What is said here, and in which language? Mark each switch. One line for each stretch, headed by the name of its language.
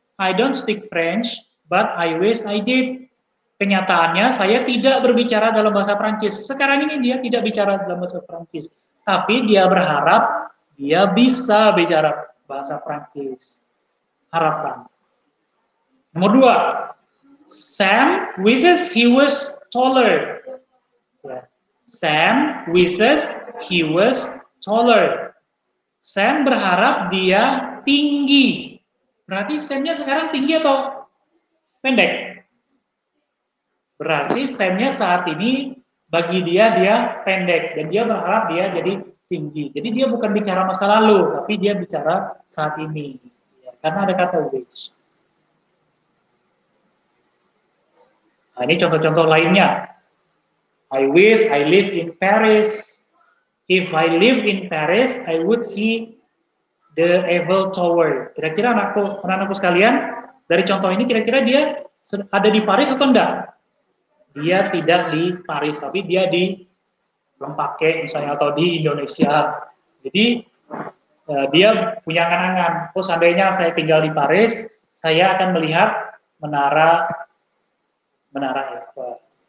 English: I don't speak French, but I wish I did.
Indonesian: Kenyataannya saya tidak berbicara dalam bahasa Perancis. Sekarang ini dia tidak bicara dalam bahasa Perancis. Tapi dia berharap dia bisa bicara bahasa Prancis. Harapan. Nomor dua.
English: Sam wishes he was taller. Sam wishes he was taller.
Indonesian: Sam berharap dia tinggi. Berarti Sam-nya sekarang tinggi atau pendek? Berarti Sam-nya saat ini bagi dia pendek. Dan dia berharap dia jadi tinggi. Jadi dia bukan bicara masa lalu, tapi dia bicara saat ini. Ya, karena ada kata wish. Nah, ini contoh-contoh lainnya.
English: I wish I live in Paris. If I live in Paris, I would see the Eiffel Tower.
Indonesian: Kira-kira anak-anakku sekalian, dari contoh ini kira-kira dia ada di Paris atau enggak? Dia tidak di Paris, tapi dia di belum pakai misalnya atau di Indonesia. Jadi dia punya angan-angan. Oh, seandainya saya tinggal di Paris, saya akan melihat menara Eiffel.